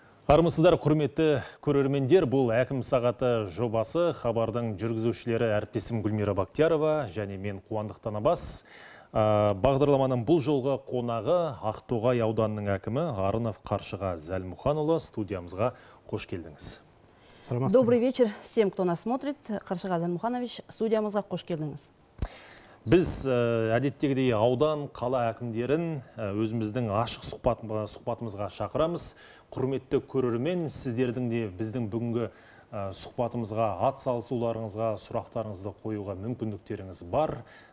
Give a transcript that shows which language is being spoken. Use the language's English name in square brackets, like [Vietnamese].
[Kazakh] Армысыздар, құрметті көрермендер, бұл әкім сағаты жобасы. Хабардың жүргізушілері әрпесім Гүлмира Бақтиярова, және мен Қуандық Танабас. Бағдарламаның бұл жолғы қонағы Ақтоғай ауданының әкімі Арынов Қаршыға Зәлмұханұлы. Студиямызға қош келдіңіз. [Russian] Добрый вечер всем, кто нас смотрит. [Kazakh] Қаршыға Зәлмұханович, студиямызға қош келдіңіз. Біз әдеттегідей аудан қала әкімдерін өзіміздің ашық сұхбатымызға шақырамыз. Құрметті көрермен, сіздердің де біздің бүгінгі сұхбатымызға атсалысуларыңызға, сұрақтарыңызды қоюға мүмкіндіктеріңіз бар.